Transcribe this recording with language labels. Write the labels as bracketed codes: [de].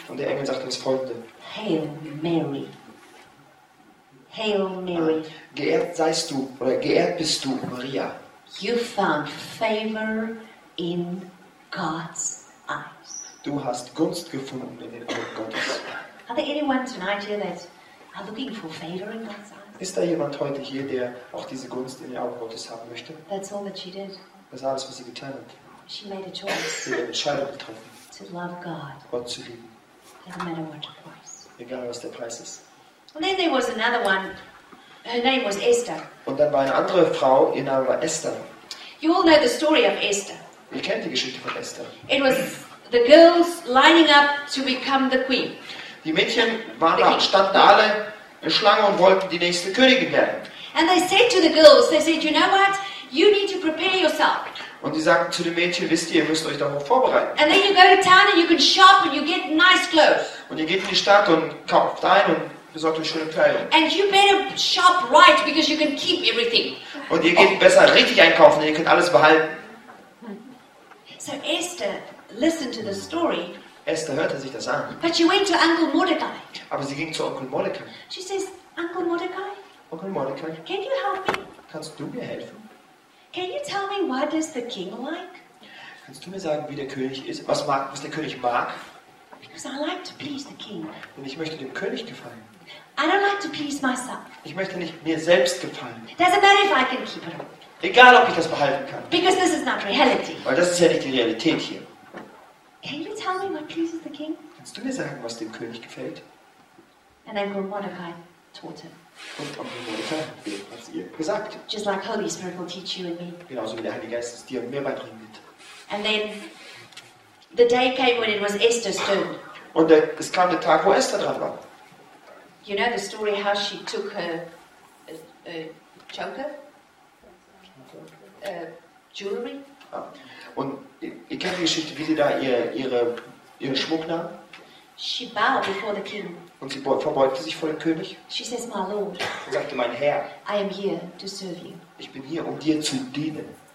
[de] Und der Engel sagte das folgende. [en] Hail Mary. Hail Mary. [de] Geehrt seist du, oder geehrt bist du, Maria. [en] You found favor in God's eyes. [de] Du hast Gunst gefunden in den Augen Gottes. [en] Are there anyone tonight here that are looking for favor in God's eyes? [de] Ist da jemand heute hier, der auch diese Gunst in den Augen Gottes haben möchte? [en] That's all that she did. [de] Das ist alles, was sie getan hat. [en] She made a choice. [de] Sie hat eine Entscheidung getroffen. [en] To love God. [de] Gott zu lieben. [en] No matter what the price. [de] Egal was der Preis ist. [en] And then there was another one. Her name was Esther. [de] Und dann war eine andere Frau, ihr Name war Esther. [en] You all know the story of Esther. [de] Ihr kennt die Geschichte von Esther. [en] It was the girls lining up to become the queen. [de] Die Mädchen waren da, standen alle in Schlange und wollten die nächste Königin werden. [en] And they said to the girls, they said, you know what? You need to prepare yourself. [de] Und die sagten zu den Mädchen, wisst ihr, ihr müsst euch darauf vorbereiten. [en] And then you go to town and you can shop and you get nice clothes. [de] Und ihr geht in die Stadt und kauft ein und besorgt euch schöne Kleidung. [en] And you better shop right because you can keep everything. [de] Und ihr geht besser richtig einkaufen, denn ihr könnt alles behalten. [en] So Esther listened to the story. [de] Esther hörte sich das an. [en] But she went to Uncle Mordecai. [de] Aber sie ging zu Onkel Mordecai. [en] She says, Uncle Mordecai. [de] Onkel Mordecai. [en] Can you help me? [de] Kannst du mir helfen? [en] Can you tell me what is the king like? [de] Kannst du mir sagen, wie der König ist? Was der König mag? [en] Because I like to please the king. [de] Denn ich möchte dem König gefallen. [en] I don't like to please myself. [de] Ich möchte nicht mir selbst gefallen. [en] Doesn't matter if I can keep it. [de] Egal, ob ich das behalten kann. [en] Because this is not reality. [de] Weil das ist ja nicht die Realität hier. [en] Can you tell me what pleases the king? [de] Kannst du mir sagen, was dem König gefällt? [en] And then Uncle Mordecai taught him. [de] Und Onkel Mordecai hat es ihr gesagt. [en] Just like Holy Spirit will teach you and me. [de] Genauso wie der Heilige Geist es dir und mir beibringen wird. [en] And then the day came when it was Esther's turn. [de] Und es kam der Tag, wo Esther dran war. [en] You know the story how she took her choker? Jewelry? [de] Und ihr kennt die Geschichte, wie sie da ihren Schmuck nahm? [en] She bowed before the king. [de] Und sie verbeugte sich vor dem König. [en] She says, my lord. [de] Und sagte, mein Herr. [en] I am here to serve you. [de] Ich bin hier, um dir zu dienen.